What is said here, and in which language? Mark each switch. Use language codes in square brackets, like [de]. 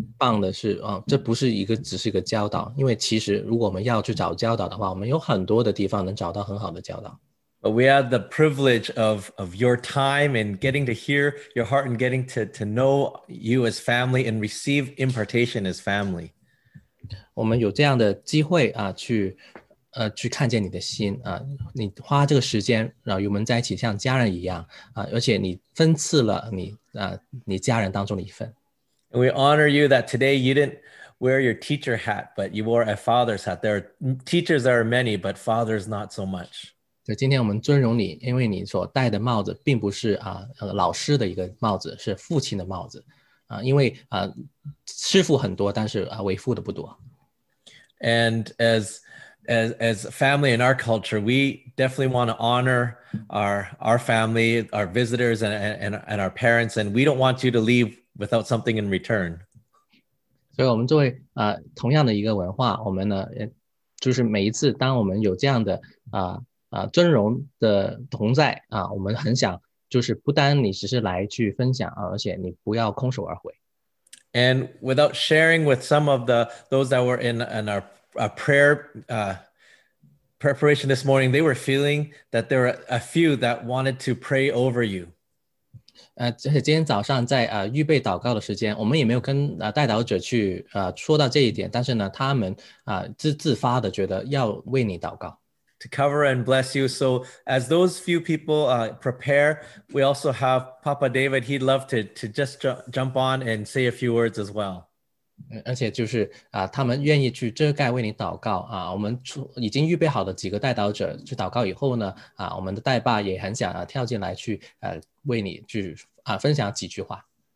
[zh] 棒的是啊，这不是一个只是一个教导，因为其实如果我们要去找教导的话，我们有很多的地方能找到很好的教导。 [en] But we have the privilege of your time and getting to hear your heart and getting to know you as family and receive impartation as family. [zh] 我们有这样的机会啊，去看见你的心啊，你花这个时间，然后与我们在一起像家人一样啊，而且你分赐了你家人当中的一份。 [en] And we honor you that today you didn't wear your teacher hat, but you wore a father's hat. There are teachers, there are many, but fathers not so much. [zh] 对，今天我们尊荣你，因为你所戴的帽子并不是老师的一个帽子，是父亲的帽子。因为师父很多，但是为父的不多。 [en] And as family in our culture, we definitely want to honor our family, our visitors, and our parents, and we don't want you to leave without something in return. [zh] 所以我们作为同样的一个文化，我们呢，就是每一次当我们有这样的尊荣的同在我们很想就是不单你只是来去分享而且你不要空手而回。 [en] And without sharing with some of those that were in our prayer preparation this morning, they were feeling that there were a few that wanted to pray over you. [zh] 今天早上在预备祷告的时间，我们也没有跟代祷者去说到这一点，但是呢，他们自发的觉得要为你祷告。 [en] To cover and bless you. So as those few people prepare, we also have Papa David. He'd love to just jump on and say a few words as well. [zh] 而且就是他们愿意去遮盖为你祷告我们已经预备好的几个代祷者去祷告以后呢我们的代爸也很想跳进来去为你去分享几句话。